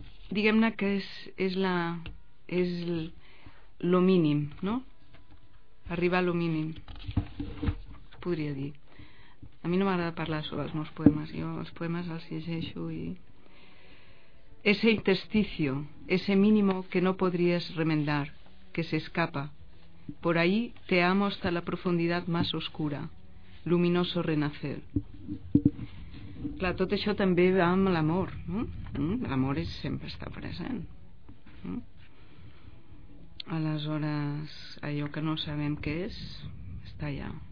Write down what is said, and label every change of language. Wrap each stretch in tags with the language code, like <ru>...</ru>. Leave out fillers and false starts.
<ca>Diguem-ne que és lo mínim, no? Arribar a lo mínim, podria dir. A mi no m'agrada parlar sobre els meus poemes. Jo els poemes els llegeixo i...</ca> <es>Ese intersticio, ese mínimo que no podrías remendar, que se escapa. Por ahí te amo hasta la profundidad más oscura. Luminoso renacer.</es> <ca>Clar, tot això també va amb l'amor, no? L'amor és sempre estar present, no? Aleshores, allò que no sabem què és, està allà.</ca>